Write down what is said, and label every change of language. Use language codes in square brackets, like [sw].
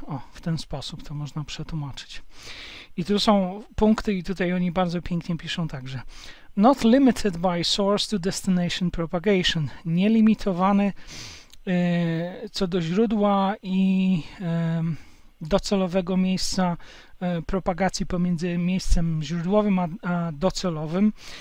[pl] O, w ten sposób to można przetłumaczyć. I tu są punkty i tutaj oni bardzo pięknie piszą także. [en] Not limited by source to destination propagation. [pl] Nielimitowany co do źródła i docelowego miejsca propagacji pomiędzy miejscem źródłowym a docelowym.